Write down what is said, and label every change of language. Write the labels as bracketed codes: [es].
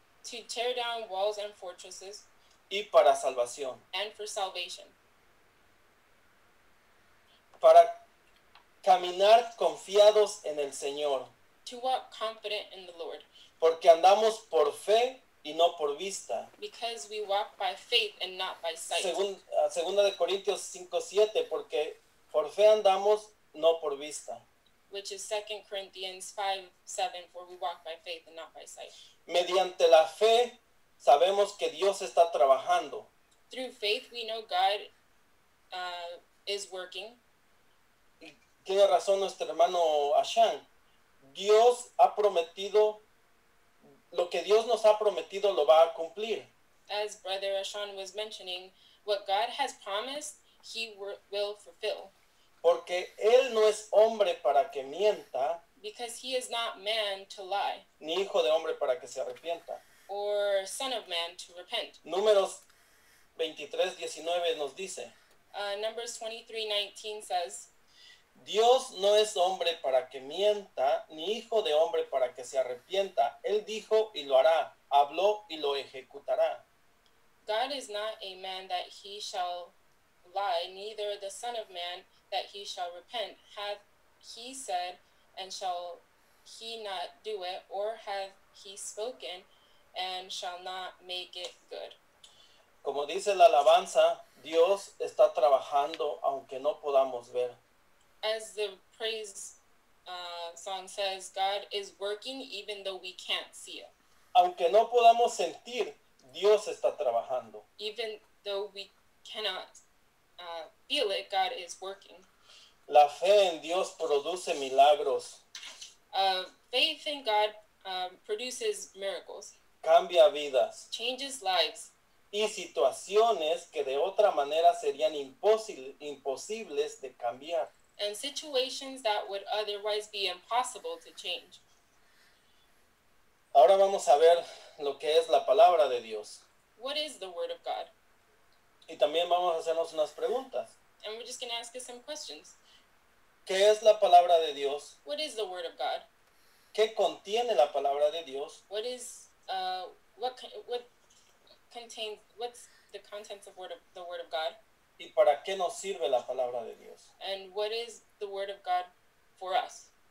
[en] To tear down walls and fortresses. [es] Y para salvación. [en] And for salvation. [es] Para caminar confiados en el Señor. [en] To walk confident in the Lord. [es] Porque andamos por fe y no por vista. [en] Because we walk by faith and not by sight. [es] Segunda de Corintios 5:7, porque por fe andamos, no por vista. [en] Which is 2 Corinthians 5:7, for we walk by faith and not by sight. [es] Mediante la fe, sabemos que Dios está trabajando. [en] Through faith, we know God is working. [es] Y tiene razón nuestro hermano Ashan. Dios ha prometido, lo que Dios nos ha prometido lo va a cumplir. [en] As Brother Ashan was mentioning, what God has promised, he will fulfill. [es] Porque él no es hombre para que mienta. [en] Because he is not man to lie. [es] Ni hijo de hombre para que se arrepienta. [en] Or son of man to repent. [es] Números 23:19 nos dice. [en] Numbers 23:19 says. [es] Dios no es hombre para que mienta, ni hijo de hombre para que se arrepienta. Él dijo y lo hará, habló y lo ejecutará. [en] God is not a man that he shall lie, neither the son of man that he shall repent. Hath he said, and shall he not do it, or hath he spoken, and shall not make it good? [es] Como dice la alabanza, Dios está trabajando aunque no podamos ver. [en] As the praise song says, God is working even though we can't see it. [es] Aunque no podamos sentir, Dios está trabajando. [en] Even though we cannot feel it, God is working. [es] La fe en Dios produce milagros. [en] Faith in God produces miracles. [es] cambia vidas, [en] changes lives, [es] y situaciones que de otra manera serían imposibles de cambiar, [en] and situations that would otherwise be impossible to change. [es] Ahora vamos a ver lo que es la palabra de Dios. [en] What is the word of God? [es] Y también vamos a hacernos unas preguntas. [en] And we're just going to ask you some questions. [es] ¿Qué es la palabra de Dios? [en] What is the word of God? [es] ¿Qué contiene la palabra de Dios? [en] What is what's the contents of the word of God? [es] ¿Y para qué nos sirve la palabra de Dios? [en] And what is the word of God for us?